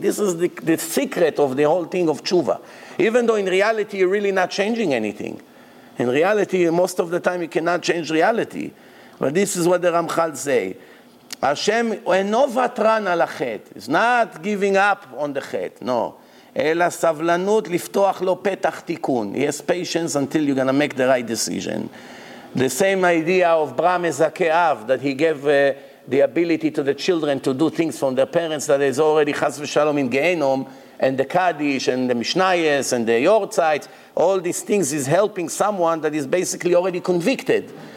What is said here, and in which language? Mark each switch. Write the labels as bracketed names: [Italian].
[English] This is the secret of the whole thing of tshuva. Even though in reality, you're really not changing anything. In reality, most of the time, you cannot change reality. But this is what the Ramchal say. Hashem, [Hebrew] eno vatran al chet. [English] It's not giving up on the chet, no. [Hebrew] אלא סבלנות לפתוח לו פתח תיקון. [English] He has patience until you're going to make the right decision. The same idea of Brah Mezakeh Av, that he gave the ability to the children to do things from their parents that is already Chas V'Shalom in Gehenom, and the Kaddish, and the Mishnayos, and the Yortzeit, all these things is helping someone that is basically already convicted.